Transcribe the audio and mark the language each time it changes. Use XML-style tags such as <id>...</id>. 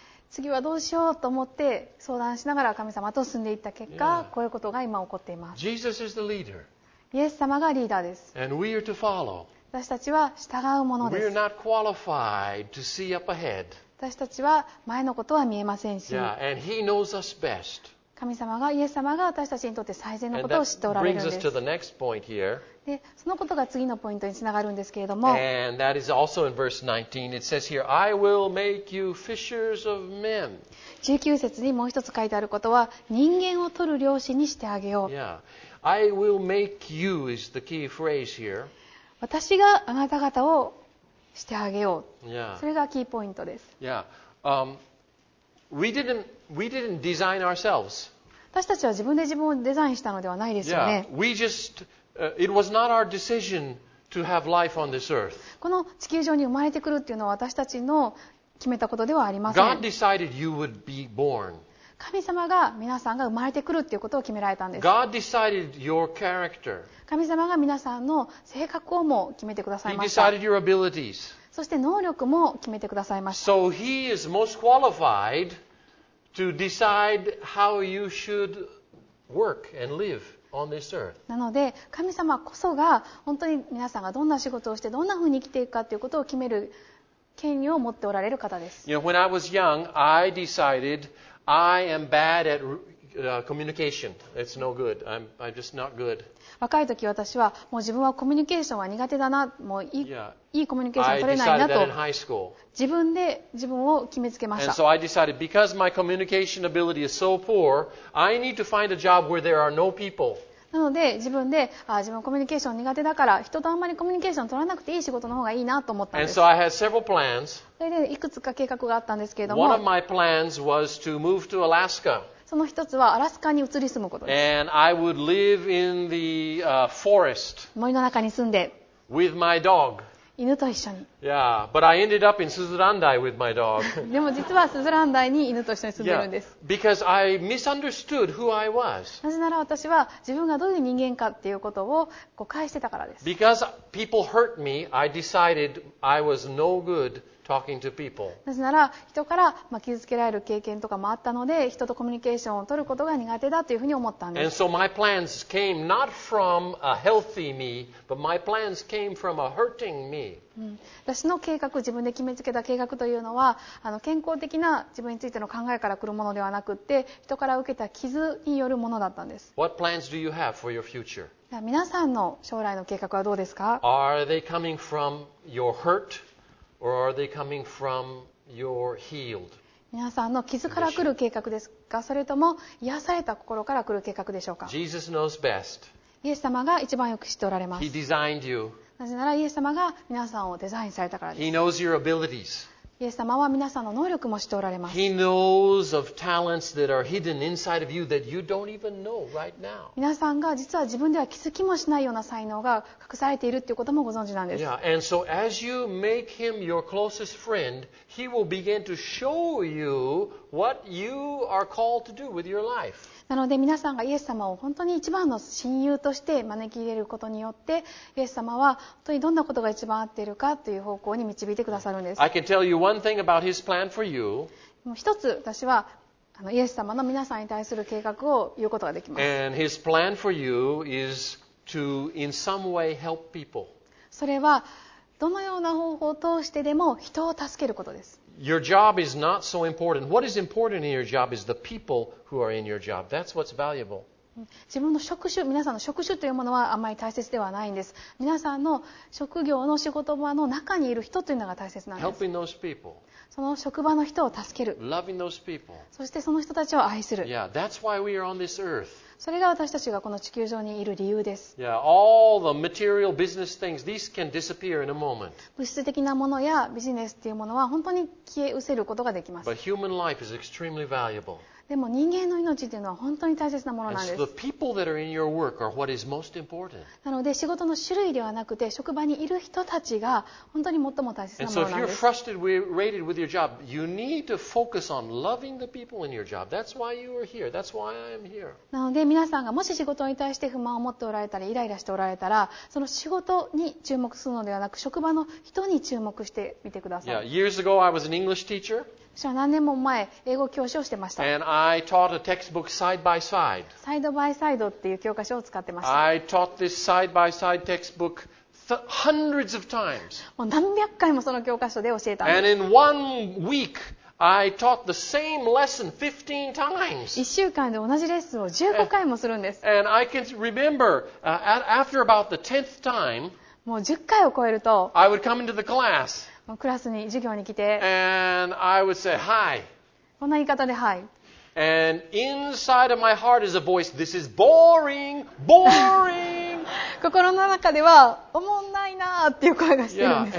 <ja>次はどうしようと思って相談しながら神様と進んでいった結果、yeah. こういうことが今起こっています。</ja> <en>Jesus is the leader.</en> <ja>イエス様がリーダーです。</ja> <en>And we are to follow.</en> <ja>私たちは従うものです。</ja> <en>We are not qualified to see up ahead.</en> <ja>私たちは前のことは見えませんし。</ja> <en>Yeah. And he knows us best.</en> <ja>神様が、イエス様が私たちにとって最善のことを知っておられるんです。で、そのことが次のポイントにつながるんですけれども、</ja> <en>And that is also in verse 19. It says here, I will make you fishers of men.</en> <ja>19節にもう一つ書いてあることは、人間を取る漁師にしてあげよう。</ja> <en>Yeah. I will make you is the key phrase here.</en> <ja>私があなた方をしてあげよう。</ja> <en>Yeah.</en> <ja>それがキーポイントです。</ja> <en>Yeah. We didn't design ourselves.</en> <ja>私たちは自分で自分をデザインしたのではないですよね。</ja> <en>Yeah, we just, it was not our decision to have life on this earth.</en> <ja>この地球上に生まれてくるっていうのは私たちの決めたことではありません。</ja> <en>God decided you would be born.</en> <ja>神様が皆さんが生まれてくるっていうことを決められたんです。</ja> <en>God decided your character.</en> <ja>神様が皆さんの性格をも決めてくださいました。</ja> <en>He decided your abilities.</en> <ja>そして能力も決めてくださいました。</ja> <en>So he is most qualified. To decide how you should work and live on this earth.</en> <ja>なので神様こそが本当に皆さんがどんな仕事をしてどんなふうに生きていくかということを決める権利を持っておられる方です。</ja> <en>You know, when I was young, I decided I am bad at communication. It's no good. I'm just not good.</en> <ja>若い時私はもう自分はコミュニケーションは苦手だな、もういい。</ja> <en>Yeah.</en> <ja>いいコミュニケーションを取れないなと自分で自分を決めつけました。</ja> <en>And so I decided, because my communication ability is so poor, I need to find a job where there are no people.</en> <ja>なので自分で自分コミュニケーション苦手だから人とあんまりコミュニケーションを取らなくていい仕事の方がいいなと思ったんです。</ja> <en>And so I had several plans.</en> <ja>それでいくつか計画があったんですけれども、</ja> <en>One of my plans was to move to Alaska.</en> <ja>その一つはアラスカに移り住むことです。</ja> <en>And I would live in the forest.</en> <ja>森の中に住んで</ja> <en>with my dog.</en> <ja>犬と一緒に。</ja> <en>Yeah, but I ended up in Suzurandai with my dog.</en> <ja>でも実はスズランダイに犬と一緒に住んでるんです。</ja> <en>Yeah, because I misunderstood who I was.</en> <ja>なぜなら私は自分がどういう人間かっていうことを誤解してたからです。</ja> <en>Because people hurt me, I decided I was no good talking to people.</en> <ja>なぜなら人から傷つけられる経験とかもあったので、人とコミュニケーションを取ることが苦手だというふうに思ったんです。</ja> <en>And so my plans came not from a healthy me, but my plans came from a hurting me.</en> <ja>私の計画、自分で決めつけた計画というのは、健康的な自分についての考えから来るものではなくって、人から受けた傷によるものだったんです。</ja> <en>What plans do you have for your future?</en> <ja>皆さんの将来の計画はどうですか？</ja> <en>Are they coming from your hurt? Or are they coming from your healed?</en> <ja>皆さんの傷から来る計画ですか、それとも癒された心から来る計画でしょうか。</ja> <en>Jesus knows best.</en> <ja>イエス様が一番よく知っておられます。</ja> <en>He designed you.</en> <ja>なぜならイエス様が皆さんをデザインされたからです。</ja> <en>He knows your abilities.</en> <ja>イエス様は皆さんの能力も知っておられます。</ja> <en>He knows of talents that are hidden inside of you that you don't even know right now.</en> <ja>皆さんが実は自分では気づきもしないような才能が隠されているということもご存知なんです。</ja> <en>Yeah, and so as you make him your closest friend, he will begin to show you what you are called to do with your life.</en> <ja>なので皆さんがイエス様を本当に一番の親友として招き入れることによって、イエス様は本当にどんなことが一番合っているかという方向に導いてくださるんです。</ja> <en>I can tell you one thing about his plan for you.</en> <ja>もう一つ私はイエス様の皆さんに対する計画を言うことができます。</ja> <en>And his plan for you is to in some way help people.</en> <ja>それはどのような方法を通してでも人を助けることです。</ja> <en>Your job is not so important. What is important in your job is the people who are in your job. That's what's valuable.</en> <ja>自分の職種、皆さんの職種というものはあまり大切ではないんです。皆さんの職業の仕事場の中にいる人というのが大切なんです。</ja> <en>Helping those people.</en> <ja>その職場の人を助ける。</ja> <en>Loving those people.</en> <ja>そしてその人たちを愛する。</ja> <en>Yeah, that's why we are on this earth.</en> <ja>それが私たちがこの地球上にいる理由です。</ja> <en>Yeah, all the material business things, these can disappear in a moment.</en> <ja>物質的なものやビジネスというものは本当に消え失せることができます。</ja> <en>But human life is extremely valuable.</en> <ja>でも人間の命というのは本当に大切なものなんです。</ja> <en>And so the people that are in your work are what is most important.</en> <ja>なので仕事の種類ではなくて職場にいる人たちが本当に最も大切なものなんです。</ja> <en>And so if you're frustrated with your job, you need to focus on loving the people in your job. That's why you are here. That's why I am here.</en> <ja>なので皆さんがもし仕事に対して不満を持っておられたりイライラしておられたら、その仕事に注目するのではなく職場の人に注目してみてください。</ja> <en>Yeah, years ago, I was an English teacher.</en> <ja>私は何年も前英語教師をしてました。</ja> <en>And I taught a textbook side by side.</en> <ja>サイドバイサイドっていう教科書を使ってました。</ja> <en>I taught this side by side textbook hundreds of times.</en> <ja>もう何百回もその教科書で教えたんです。</ja> <en>And in one weekI taught the same lesson 15 times.</en> <ja>1週間で同じレッスンを15回もするんです。</ja> <en>And I can remember, after about the 10th time,</en> <ja>もう10回を超えると、</ja> <en>I would come into the class,</en> <ja>もうクラスに授業に来て、</ja> <en>And I would say, hi.</en> <ja>こんな言い方で、はい。</ja> <en>And inside of my heart is a voice, this is boring, boring.</en> <ja>心の中では、おもんないなっていう声がしてるんです。</ja>